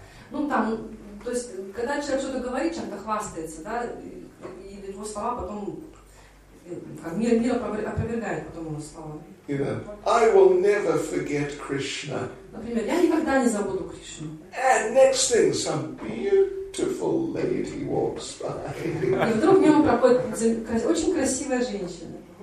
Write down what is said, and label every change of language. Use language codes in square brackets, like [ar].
[ru] Ну, там, то есть, когда человек что-то говорит, чем-то хвастается, да, и его слова потом... мир опровергает потом его слова. [en] You know, I will never forget Krishna. [ru] Например, я никогда не забуду Кришну. [en] And next thing, some beautiful lady walks by. [ru] И вдруг мимо проходит очень красивая женщина.